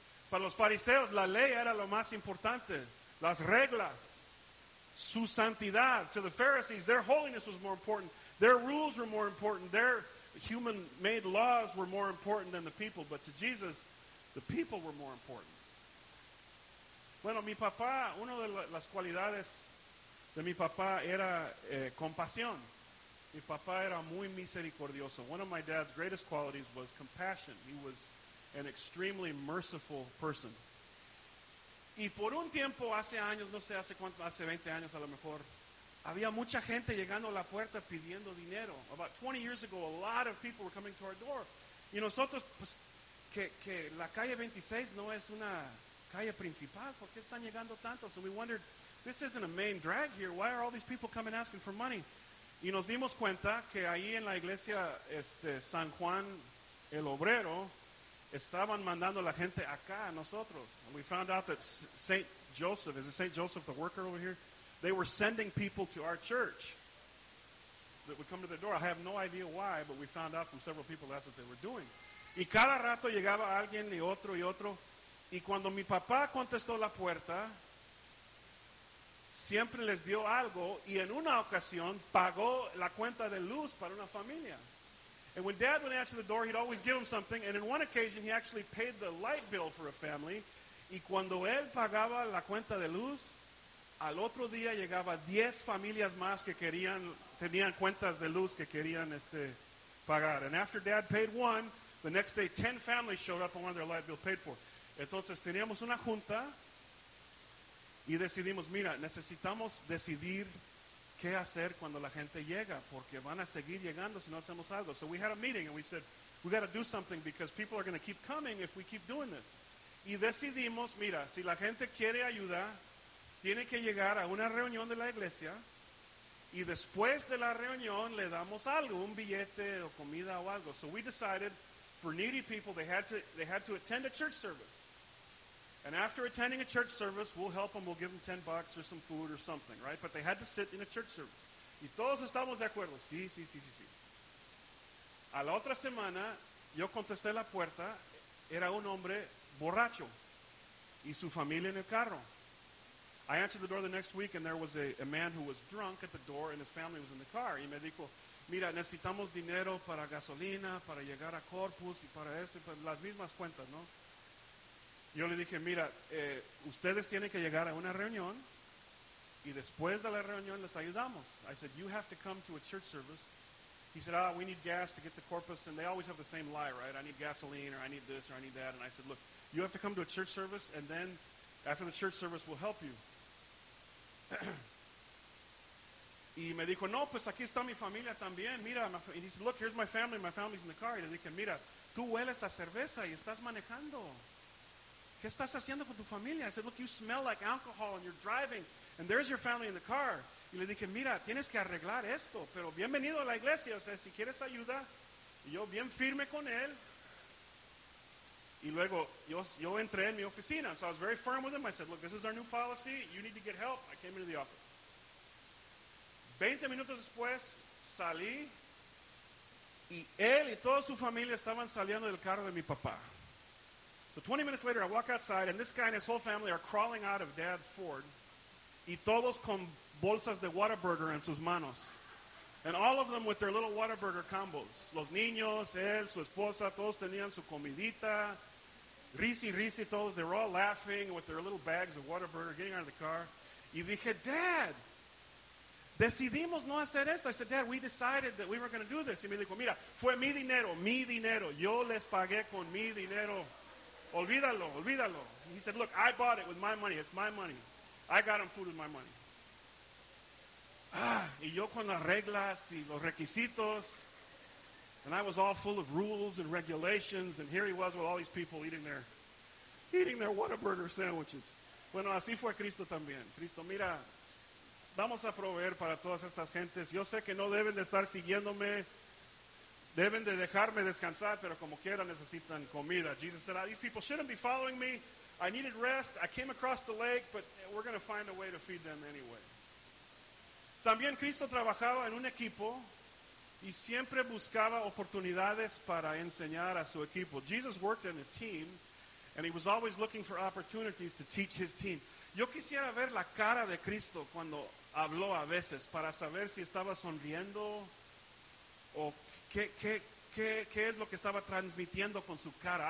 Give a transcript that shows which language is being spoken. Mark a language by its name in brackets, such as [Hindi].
[Spanish] Para los fariseos, la ley era lo más importante. Las reglas. Su santidad. [English] To the Pharisees, their holiness was more important. Their rules were more important. Their human-made laws were more important than the people. But to Jesus, the people were more important. [Spanish] Bueno, mi papá, una de las cualidades... de mi papá era compasión. Mi papá era muy misericordioso. [English] One of my dad's greatest qualities was compassion. He was an extremely merciful person. [Spanish] Y por un tiempo, hace años, no sé, hace cuánto, hace 20 años a lo mejor, había mucha gente llegando a la puerta pidiendo dinero. [English] About 20 years ago, a lot of people were coming to our door. [Spanish] Y nosotros, pues, que la calle 26 no es una calle principal, ¿por qué están llegando tantos? [English] And we wondered, this isn't a main drag here. Why are all these people coming asking for money? [Spanish] Y nos dimos cuenta que ahí en la iglesia San Juan el Obrero estaban mandando la gente acá a nosotros. [English] And we found out that St. Joseph, is it St. Joseph the worker over here? They were sending people to our church that would come to their door. I have no idea why, but we found out from several people that's what they were doing. [Spanish] Y cada rato llegaba alguien y otro, y cuando mi papá contestó la puerta... siempre les dio algo, y en una ocasión pagó la cuenta de luz para una familia. [English] And when Dad would answer the door, he'd always give him something, and in one occasion, he actually paid the light bill for a family. [Spanish] Y cuando él pagaba la cuenta de luz, al otro día llegaba 10 familias más que querían, tenían cuentas de luz que querían pagar. [English] And after Dad paid one, the next day, 10 families showed up and wanted their light bill paid for. [Spanish] Entonces, teníamos una junta, y decidimos, mira, necesitamos decidir qué hacer cuando la gente llega, porque van a seguir llegando si no hacemos algo. [English] So we had a meeting and we said, we got to do something because people are going to keep coming if we keep doing this. [Spanish] Y decidimos, mira, si la gente quiere ayuda, tiene que llegar a una reunión de la iglesia y después de la reunión le damos algo, un billete o comida o algo. [English] So we decided for needy people, they had to attend a church service. And after attending a church service, we'll help them, we'll give them 10 bucks or some food or something, right? But they had to sit in a church service. [Spanish] Y todos estamos de acuerdo. Sí, sí, sí, sí, sí. A la otra semana, yo contesté la puerta. Era un hombre borracho. Y su familia en el carro. [English] I answered the door the next week, and there was a man who was drunk at the door, and his family was in the car. [Spanish] Y me dijo, mira, necesitamos dinero para gasolina, para llegar a Corpus, y para esto, y para las mismas cuentas, ¿no? Yo le dije, mira, ustedes tienen que llegar a una reunión y después de la reunión les ayudamos. [English] I said, you have to come to a church service. He said, "Ah, we need gas to get to Corpus," and they always have the same lie, right? I need gasoline, or I need this, or I need that. And I said, "Look, you have to come to a church service, and then after the church service, we'll help you." [Spanish] Y me dijo, "No, pues aquí está mi familia también. [English] Mira," and he said, "Look, here's my family. My family's in the car." [Spanish] Y le dije, "Mira, tú hueles a cerveza y estás manejando. ¿Qué estás haciendo con tu familia?" [English] I said, "Look, you smell like alcohol and you're driving, and there's your family in the car." [Spanish] Y le dije, "Mira, tienes que arreglar esto, pero bienvenido a la iglesia, o sea, si quieres ayuda." Y yo bien firme con él. Y luego yo entré en mi oficina. [English] So I was very firm with him. I said, "Look, this is our new policy. You need to get help." I came into the office. [Spanish] 20 minutos después, salí y él y toda su familia estaban saliendo del carro de mi papá. [English] So 20 minutes later, I walk outside, and this guy and his whole family are crawling out of Dad's Ford, [Spanish] y todos con bolsas de Whataburger en sus manos. [English] And all of them with their little Whataburger combos. [Spanish] Los niños, él, su esposa, todos tenían su comidita. Risi, risi, todos, [English] they were all laughing with their little bags of Whataburger, getting out of the car. [Spanish] Y dije, "Dad, decidimos no hacer esto." [English] I said, "Dad, we decided that we were going to do this." [Spanish] Y me dijo, "Mira, fue mi dinero, yo les pagué con mi dinero. Olvídalo, olvídalo." [English] He said, "Look, I bought it with my money. It's my money. I got him food with my money." [Spanish] Y yo con las reglas y los requisitos. [English] And I was all full of rules and regulations. And here he was with all these people eating their Whataburger sandwiches. [Spanish] Bueno, así fue Cristo también. Cristo, mira, vamos a proveer para todas estas gentes. Yo sé que no deben de estar siguiéndome. Deben de dejarme descansar, pero como quiera necesitan comida. [English] Jesus said, "These people shouldn't be following me. I needed rest. I came across the lake, but we're going to find a way to feed them anyway." [Spanish] También Cristo trabajaba en un equipo y siempre buscaba oportunidades para enseñar a su equipo. [English] Jesus worked in a team, and he was always looking for opportunities to teach his team. [Spanish] Yo quisiera ver la cara de Cristo cuando habló a veces para saber si estaba sonriendo o ¿Qué es lo que estaba transmitiendo con su cara?